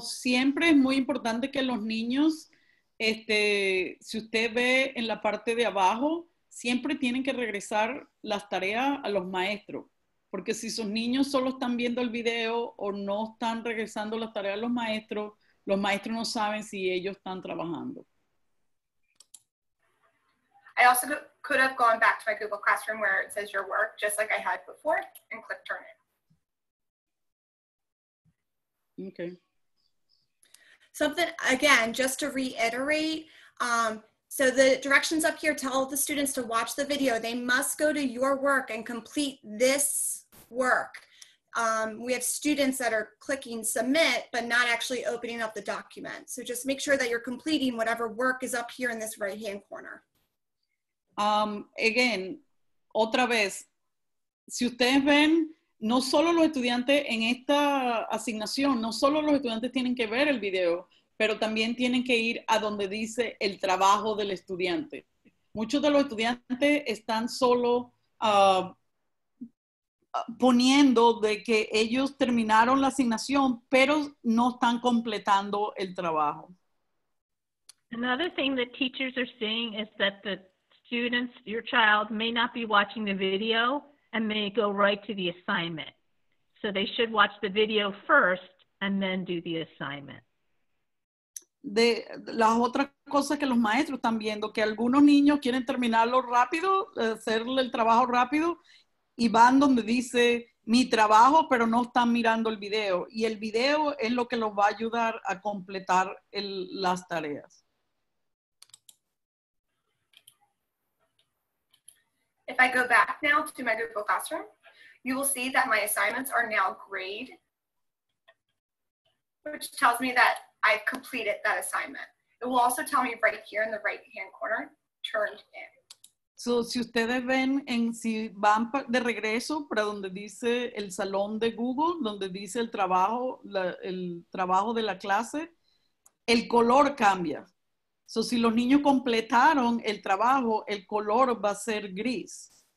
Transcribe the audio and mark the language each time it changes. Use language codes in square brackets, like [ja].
[es] siempre, es muy importante que los niños, si usted ve en la parte de abajo, siempre tienen que regresar las tareas a los maestros. Porque si sus niños solo están viendo el video o no están regresando las tareas a los maestros no saben si ellos están trabajando. [en] I also could have gone back to my Google Classroom where it says your work, just like I had before, and click turn it. Okay. Something, again, just to reiterate, so the directions up here tell the students to watch the video. They must go to your work and complete this work. We have students that are clicking submit, but not actually opening up the document. So just make sure that you're completing whatever work is up here in this right-hand corner. [es] Again, otra vez, si ustedes ven, no solo los estudiantes en esta asignación, no solo los estudiantes tienen que ver el video, pero también tienen que ir a donde dice el trabajo del estudiante. Muchos de los estudiantes están solo poniendo de que ellos terminaron la asignación, pero no están completando el trabajo. [en] Another thing that teachers are seeing is that the students, your child, may not be watching the video and may go right to the assignment. So they should watch the video first and then do the assignment. [es] De las otras cosas que los maestros están viendo, que algunos niños quieren terminarlo rápido, hacerle el trabajo rápido, y van donde dice mi trabajo, pero no están mirando el video. Y el video es lo que los va a ayudar a completar las tareas. [en] If I go back now to my Google Classroom, you will see that my assignments are now grayed, which tells me that I've completed that assignment. It will also tell me right here in the right-hand corner, turned in. [es] So, si ustedes ven, si van de regreso para donde dice el salón de Google, donde dice el trabajo de la clase, el color cambia. So, si los niños completaron el trabajo, el color va a ser gris.